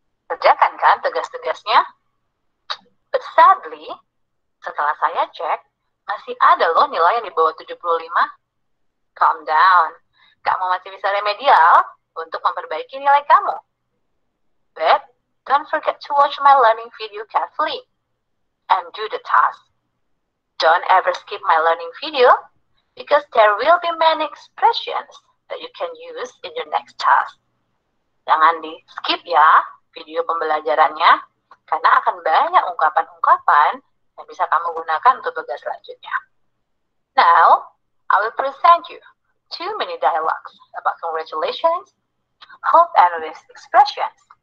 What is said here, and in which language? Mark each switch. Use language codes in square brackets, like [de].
[id] Kerjakan kan tegas-tegasnya. [en] But sadly, [id] setelah saya cek, masih ada loh nilai yang di bawah 75. [en] Calm down, [id] kamu masih bisa remedial untuk memperbaiki nilai kamu. [en] But don't forget to watch my learning video carefully and do the task. Don't ever skip my learning video because there will be many expressions that you can use in your next task. [id] Jangan di skip ya video pembelajarannya, karena akan banyak ungkapan-ungkapan yang bisa kamu gunakan untuk tugas selanjutnya. [en] Now, I will present you two mini dialogues about congratulations, hope and wish expressions.